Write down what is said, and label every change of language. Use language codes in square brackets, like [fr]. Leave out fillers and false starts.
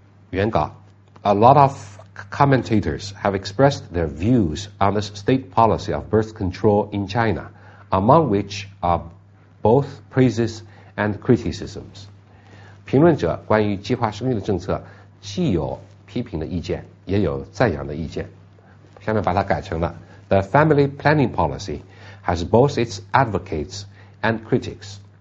[zh] 原稿 [en] A lot of commentators have expressed their views on the state policy of birth control in China, among which are both praises and criticisms. [zh] 评论者关于计划生育的政策既有批评的意见也有赞扬的意见。下面把它改成了 [en] The family planning policy has both its advocates and critics.